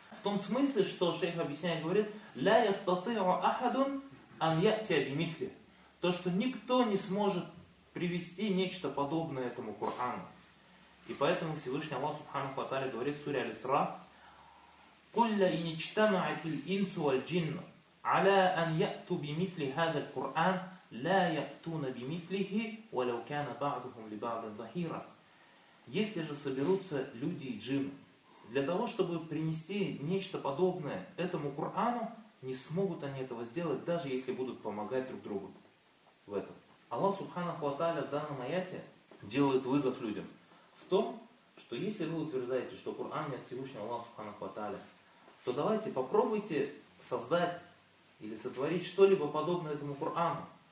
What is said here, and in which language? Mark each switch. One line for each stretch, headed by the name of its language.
Russian: В том смысле, что шейх объясняет, говорит,
Arabic: «Ля ястатыу ахадун ан ятия бимифли».
Russian: То, что никто не сможет привести нечто подобное этому Корану. И поэтому Всевышний Аллах Субхану ва Тааля говорит в суре Аль-Исра,
Arabic: «Кулля иничтамаатиль инсу валь джинну аля ан яту бимифли хазаль Коран». لا يأتون بمثله ولو كان بعضهم لبعض ظهيرا.
Russian: Если же соберутся люди и джинны для того, чтобы принести нечто подобное этому Корану, не смогут они этого сделать, даже если будут помогать друг другу в этом. Аллах Субханаху ва Тааля в данном аяте делает вызов людям в том, что если вы утверждаете, что Коран не от Всевышнего Аллаха Субханаху ва Тааля, то давайте попробуйте создать или сотворить что-либо подобное этому Корану.